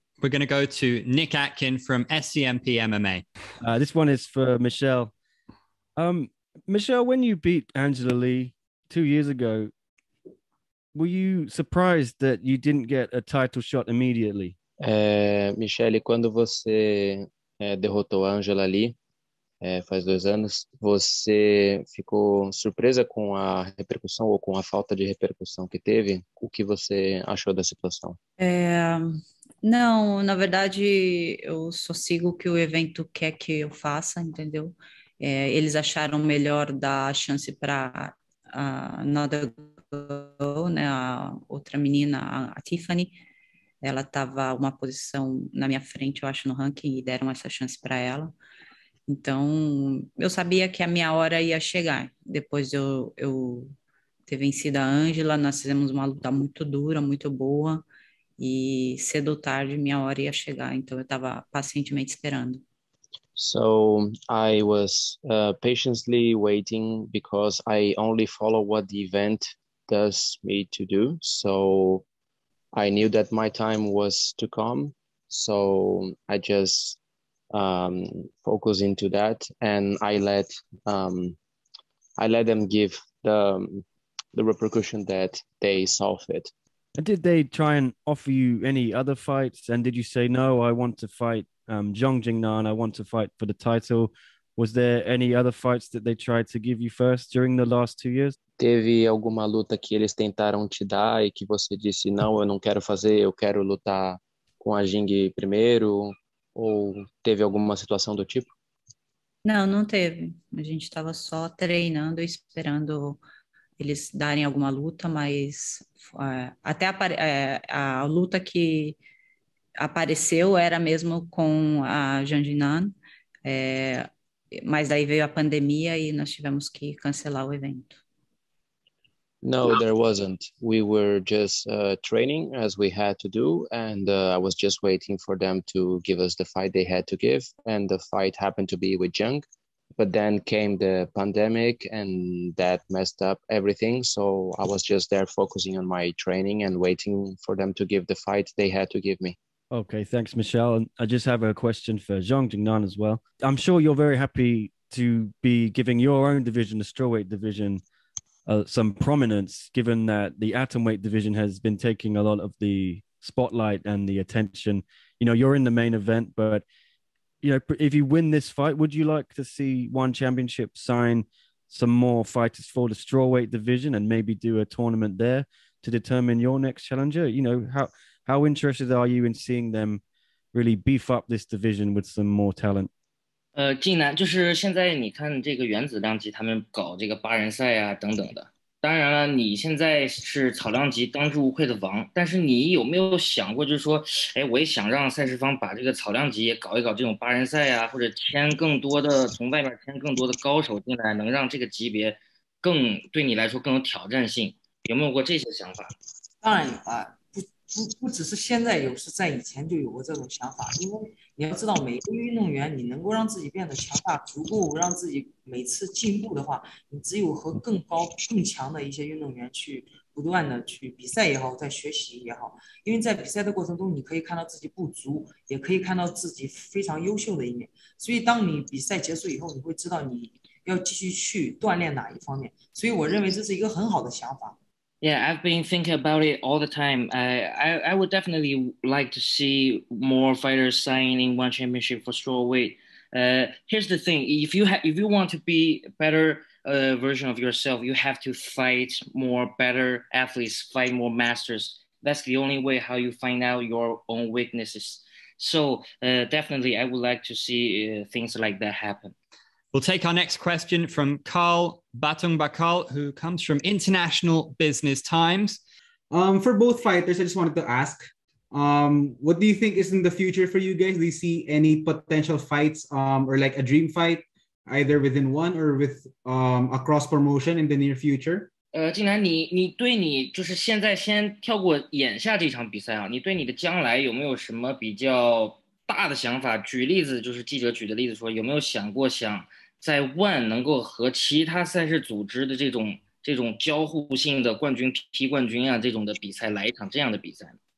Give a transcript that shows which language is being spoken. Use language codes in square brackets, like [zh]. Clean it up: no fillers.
[en] We're going to go to Nick Atkin from SCMP MMA. This one is for Michelle. Michelle, when you beat Angela Lee 2 years ago, were you surprised that you didn't get a title shot immediately? [pt] Michele, quando você derrotou a Angela ali, faz 2 anos, você ficou surpresa com a repercussão ou com a falta de repercussão que teve? O que você achou da situação? Não, na verdade, eu só sigo o que o evento quer que eu faça, entendeu? Eles acharam melhor dar a chance para a [en] another girl, [pt] né, a outra menina, a Tiffany. Ela estava uma posição na minha frente, eu acho, no ranking, e deram essa chance para ela. Então, eu sabia que a minha hora ia chegar. Depois eu ter vencido a Angela, nós fizemos uma luta muito dura, muito boa. E cedo ou tarde minha hora ia chegar, então eu estava pacientemente esperando. [en] So I was patiently waiting because I only follow what the event tells me to do. So I knew that my time was to come. So I just focus into that, and I let them give the repercussion that they saw fit. And did they try and offer you any other fights? And did you say, no, I want to fight XIONG JING NAN, I want to fight for the title? Was there any other fights that they tried to give you first during the last 2 years? [pt] Teve alguma luta que eles tentaram te dar e que você disse, não, eu não quero fazer, eu quero lutar com a Jing primeiro? Ou teve alguma situação do tipo? Não, não teve. A gente estava só treinando, esperando eles darem alguma luta, mas até a luta que apareceu era mesmo com a Janjinan, mas daí veio a pandemia e nós tivemos que cancelar o evento. [en] No, there wasn't. We were just training as we had to do, and I was just waiting for them to give us the fight they had to give, and the fight happened to be with Jung, but then came the pandemic and that messed up everything, so I was just there focusing on my training and waiting for them to give the fight they had to give me. Okay, thanks, Michelle. And I just have a question for XIONG JING NAN as well. I'm sure you're very happy to be giving your own division, the strawweight division, some prominence, given that the atomweight division has been taking a lot of the spotlight and the attention. You know, you're in the main event, but you know, if you win this fight, would you like to see ONE Championship sign some more fighters for the strawweight division and maybe do a tournament there to determine your next challenger? You know, how interested are you in seeing them really beef up this division with some more talent? [zh] 竟然就是现在，你看这个原子量级，他们搞这个8人赛啊，等等的。当然了，你现在是草量级当之无愧的王，但是你有没有想过，就是说，哎，我也想让赛事方把这个草量级也搞一搞，这种8人赛啊，或者签更多的从外面签更多的高手进来，能让这个级别更对你来说更有挑战性，有没有过这些想法？当然有啊，不只是现在有，是在以前就有过这种想法。因为你要知道，每个运动员你能够让自己变得强大，足够让自己每次进步的话，你只有和更高、更强的一些运动员去不断的去比赛也好，在学习也好。因为在比赛的过程中，你可以看到自己不足，也可以看到自己非常优秀的一面。所以，当你比赛结束以后，你会知道你要继续去锻炼哪一方面。所以，我认为这是一个很好的想法。 [en] Yeah, I've been thinking about it all the time. I would definitely like to see more fighters signing ONE Championship for strawweight. Here's the thing: if you want to be a better version of yourself, you have to fight more better athletes, fight more masters. That's the only way how you find out your own weaknesses. So definitely, I would like to see things like that happen. We'll take our next question from Carl Batung Bakal, who comes from International Business Times. For both fighters, I just wanted to ask, what do you think is in the future for you guys? Do you see any potential fights, or like a dream fight, either within ONE or with a cross promotion in the near future? [zh] 竟然你对你就是现在先跳过眼下这场比赛啊，你对你的将来有没有什么比较？大的想法，举例子就是记者举的例子说，有没有想过想在 ONE 能够和其他赛事组织的这种交互性的冠军踢冠军啊这种的比赛来一场这样的比赛？